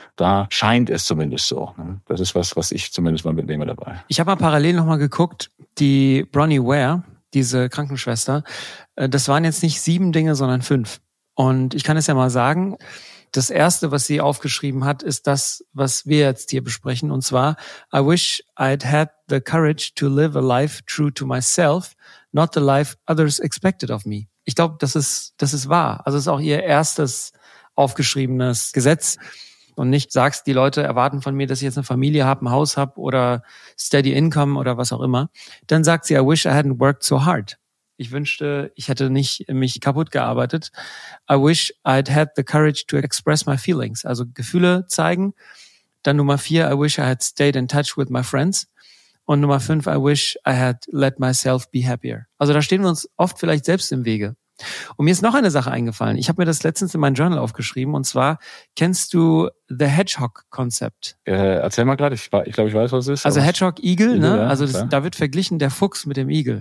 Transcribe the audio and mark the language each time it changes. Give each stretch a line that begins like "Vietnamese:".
German: Da scheint es zumindest so. Das ist was ich zumindest mal mitnehme dabei. Ich habe mal parallel nochmal geguckt, die Bronnie Ware, diese Krankenschwester, das waren jetzt nicht 7 Dinge, sondern 5. Und ich kann es ja mal sagen, das Erste, was sie aufgeschrieben hat, ist das, was wir jetzt hier besprechen. Und zwar,
English: I wish I'd had the courage to live a life true to myself, not the life others expected of me.
German: Ich glaube, das ist wahr. Also es ist auch ihr erstes aufgeschriebenes Gesetz. Und nicht sagst, die Leute erwarten von mir, dass ich jetzt eine Familie habe, ein Haus habe oder
English: steady income
German: oder was auch immer. Dann sagt sie,
English: I wish I hadn't worked so hard.
German: Ich wünschte, ich hätte nicht mich kaputt gearbeitet.
English: I wish I'd had the courage to express my feelings.
German: Also Gefühle zeigen. Dann Nummer 4,
English: I wish I had stayed in touch with my friends.
German: Und Nummer 5,
English: I wish I had let myself be happier.
German: Also da stehen wir uns oft vielleicht selbst im Wege. Und mir ist noch eine Sache eingefallen. Ich habe mir das letztens in mein Journal aufgeschrieben. Und zwar, kennst du The Hedgehog-Konzept? Erzähl mal gerade. Ich glaube, ich weiß, was es ist. Also Hedgehog-Igel, ne? Ja, also da wird verglichen der Fuchs mit dem Igel.